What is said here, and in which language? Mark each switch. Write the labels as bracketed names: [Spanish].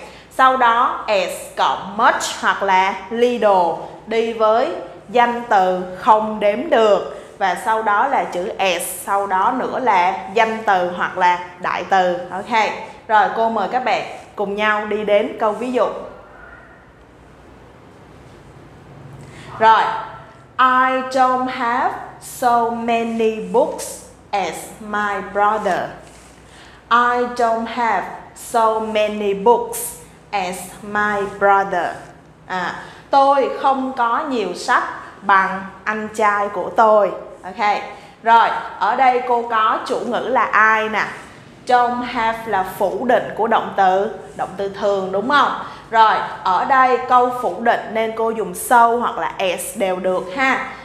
[Vietnamese] Sau đó as cộng much hoặc là little đi với danh từ không đếm được, và sau đó là chữ as, sau đó nữa là danh từ hoặc là đại từ. Ok. Rồi cô mời các bạn cùng nhau đi đến câu ví dụ. Rồi. [English] I don't have so many books as my brother. I don't have so many books as my brother. [Vietnamese] À, tôi không có nhiều sách bằng anh trai của tôi. Ok. Rồi, ở đây cô có chủ ngữ là I nè. Don't have là phủ định của động từ thường đúng không? Rồi, ở đây câu phủ định nên cô dùng so hoặc là as đều được ha.